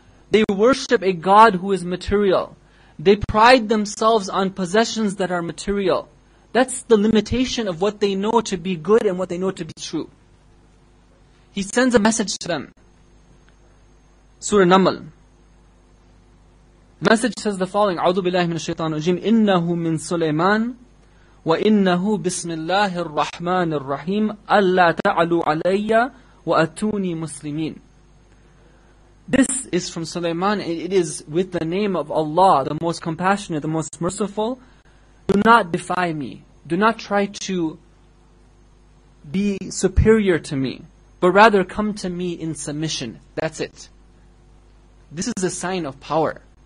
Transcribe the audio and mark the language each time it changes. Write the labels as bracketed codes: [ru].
[en] They worship a God who is material. They pride themselves on possessions that are material. That's the limitation of what they know to be good and what they know to be true. He sends a message to them. Surah Naml. The message says the following, [ar] أعوذ بالله من الشيطان الرجيم إنه من سليمان وإنه بسم الله الرحمن الرحيم ألا تعلوا عليّ وأتوني مسلمين. [en] This is from Sulaiman. It is with the name of Allah, the most compassionate, the most merciful. Do not defy me. Do not try to be superior to me. But rather come to me in submission. That's it. This is a sign of power.